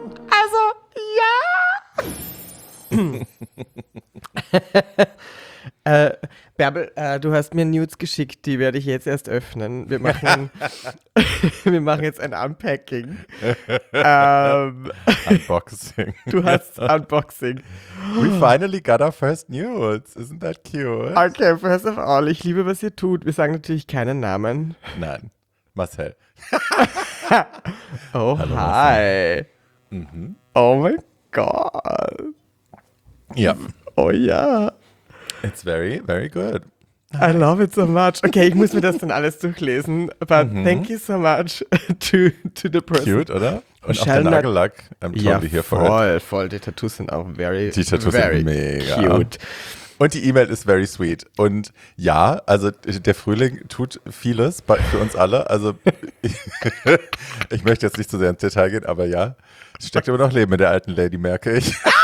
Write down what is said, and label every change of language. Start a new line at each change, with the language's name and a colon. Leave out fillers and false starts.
German: Also, ja! Bärbel, du hast mir Nudes geschickt, die werde ich jetzt erst öffnen. Wir machen jetzt ein Unpacking.
English: Unboxing.
German: Du hast Unboxing.
English: We finally got our first nudes. Isn't that cute?
German: Okay,
English: first of all,
German: ich liebe, was ihr tut. Wir sagen natürlich keinen Namen. Nein, Marcel. Oh, hallo, hi. Mhm. Oh mein Gott. Ja. Oh ja.
English: It's very, very good. I love it so much.
German: Okay, ich muss mir das dann alles durchlesen.
English: But thank you so much to the person. Cute,
German: oder? Und auch der Nagellack.
English: I'm totally here for it.
German: Voll. Die Tattoos sind auch
English: very, very cute.
German: Die Tattoos sind mega cute. Und die E-Mail ist
English: very sweet.
German: Und ja, also der Frühling tut vieles für uns alle. Also ich möchte jetzt nicht zu sehr ins Detail gehen, aber ja, es steckt immer noch Leben in der alten Lady, merke ich.